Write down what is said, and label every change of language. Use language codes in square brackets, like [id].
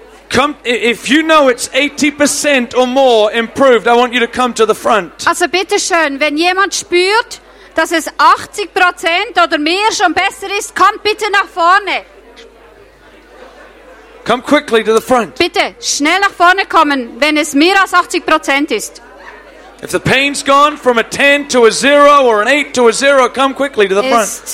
[en] Come, if you know it's 80% or more improved, I want you to come to the front. [de] Also bitte schön, wenn jemand spürt, dass es 80% oder mehr schon besser ist, kommt bitte nach vorne. [en] Come quickly to the front. [de] Bitte schnell nach vorne kommen, wenn es mehr als 80% ist. [en] If the pain's gone from a 10 to a 0 or an 8 to a 0, come quickly to the front.